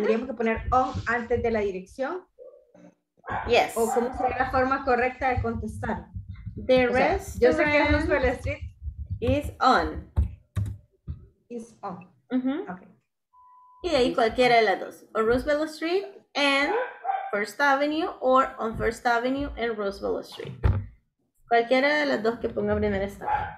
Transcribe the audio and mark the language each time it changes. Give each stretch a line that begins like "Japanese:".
Spanish: Tendríamos que poner on antes de la dirección.
English: Yes.
Spanish: O cómo sería la forma correcta de contestar.
English: The rest.
Spanish: Yo sé que Roosevelt Street
English: is on. Is on. Mm-hmm.
Spanish: Okay. Y de ahí cualquiera de las dos.
English: O Roosevelt Street and First Avenue, or on First Avenue and Roosevelt Street.
Spanish: Cualquiera de las dos que ponga primero está.